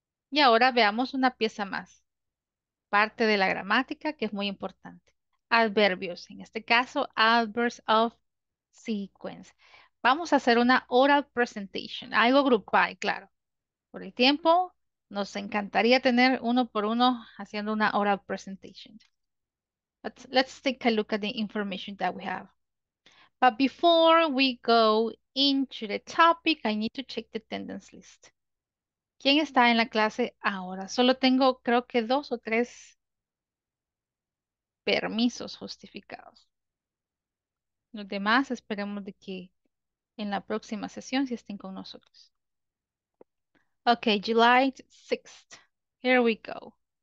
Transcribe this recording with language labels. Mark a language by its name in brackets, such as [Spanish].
[Spanish] Y ahora veamos una pieza más. Parte de la gramática que es muy importante. Adverbios, en este caso, [English] adverbs of sequence. [Spanish] Vamos a hacer una oral presentation, algo grupal, claro. Por el tiempo, nos encantaría tener uno por uno haciendo una oral presentation. [English] Let's take a look at the information that we have. But before we go into the topic, I need to check the attendance list. [Spanish] ¿Quién está en la clase ahora? Solo tengo, creo que dos o tres permisos justificados. Los demás esperemos de que en la próxima sesión sí estén con nosotros. [English] Okay, July 6th. Here we go.